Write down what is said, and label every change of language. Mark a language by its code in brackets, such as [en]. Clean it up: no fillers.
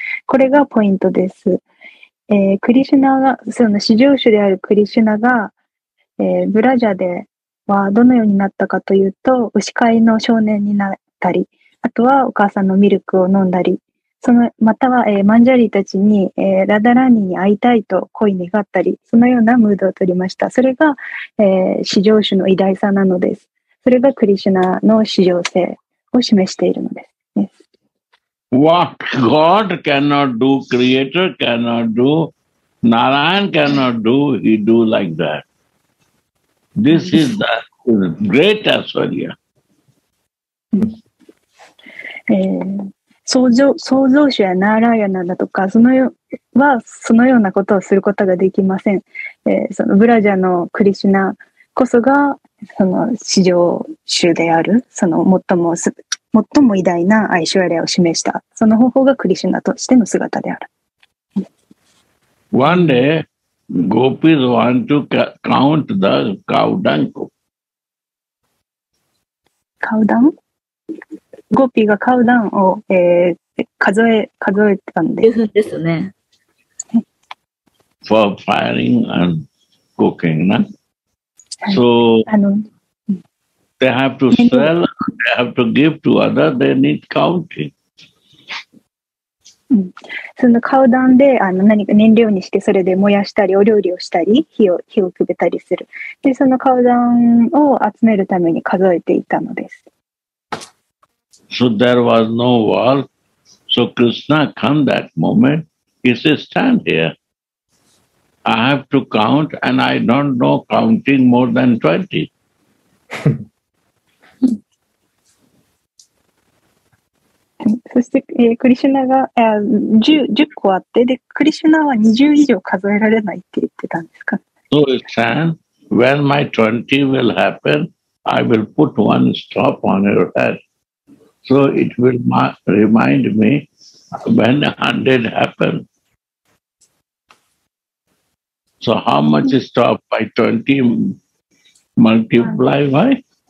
[ja] これがポイントです。クリシュナが、その至上主であるクリシュナが、ブラジャではどのようになったかというと、牛飼いの少年になったり、あとはお母さんのミルクを飲んだり、その、または、マンジャリーたちに、ラダラーニに会いたいと恋願ったり、そのようなムードを取りました。それが、至上主の偉大さなのです。それがクリシュナの至上性を示しているのです。 [en] Yes. What God cannot do, Creator cannot do, Narayan cannot do, he do like that. This is the great Aishwarya. [ja] 創造主やナーラーヤナだとかそのよはそのようなことをすることができません。そのブラジャのクリシュナこそがその至上主であるその最も偉大なアイシュアリアを示したその方法がクリシュナとしての姿である。 [en] One day, gopis want to count the cow dung. Cow dung? [ja] ゴピがカウダンを、数えたんです。ですね。 [en] For firing and cooking, na?、So, they have to sell, they have to give to others, they need counting. [ja] そのカウダンで何か燃料にして、それで燃やしたり、お料理をしたり、火をくべたりする。で、そのカウダンを集めるために数えていたのです。 [en] So there was no wall. So Krishna come that moment. He says, stand here. I have to count and I don't know counting more than 20. そして、クリシュナが、10個あって、で、クリシュナは20以上数えられないって言ってたんですか? So he said, when my 20 will happen, I will put one stop on your head. So it will remind me when 100 happen. So how much is top by 20 multiply by?